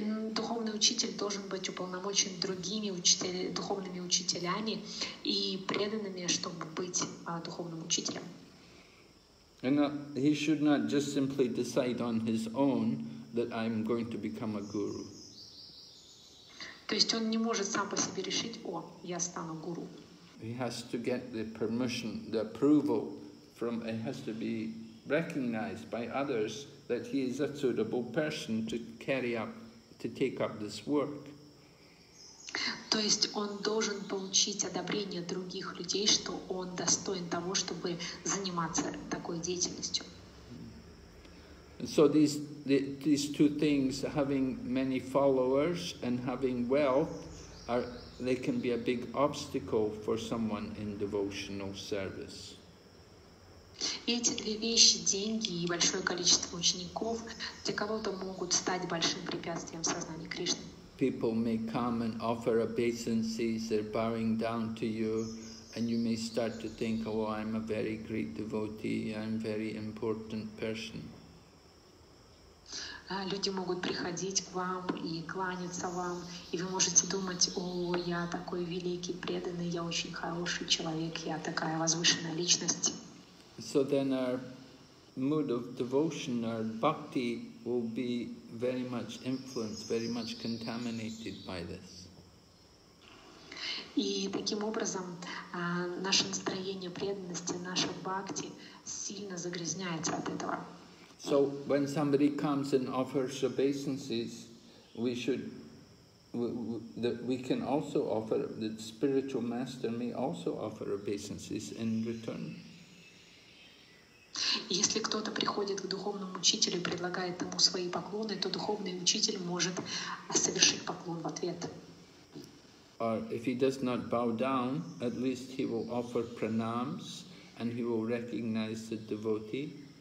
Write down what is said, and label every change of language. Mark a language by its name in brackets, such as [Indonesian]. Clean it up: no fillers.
[Russian] Духовный учитель должен быть уполномочен другими духовными учителями и преданными, чтобы быть духовным учителем. [English] And he should not just simply decide on his own that I'm going to become a guru. [Russian] То есть он не может сам по себе решить, о, я стану гуру. [English] He has to get the permission, the approval from, it has to be recognized by others that he is a suitable person to carry up, to take up this work. [Russian] То есть он должен получить одобрение других людей, что он достоин того, чтобы заниматься такой деятельностью. [English] So these two things, having many followers and having wealth, are they can be a big obstacle for someone in devotional service. [Russian] Эти две вещи, деньги и большое количество учеников, для кого-то могут стать большим препятствием в сознании Кришны. [English] People may come and offer obeisances, they're bowing down to you, and you may start to think, oh, I'm a very great devotee, I'm a very important person. [Russian] Люди могут приходить к вам и кланяться вам, и вы можете думать, о, я такой великий, преданный, я очень хороший человек, я такая возвышенная личность. [English] So then our mood of devotion, our bhakti, will be very much influenced, very much contaminated by this. [Russian] И таким образом наше настроение преданности, наша бхакти сильно загрязняется от этого. [English] So when somebody comes and offers obeisances, we can also offer, the spiritual master may also offer obeisances in return. [Russian] Если кто-то приходит к духовному учителю и предлагает ему свои поклоны, то духовный учитель может совершить поклон в ответ. [English] Or if he does not bow down, at least he will offer pranams and he will recognize the devotee.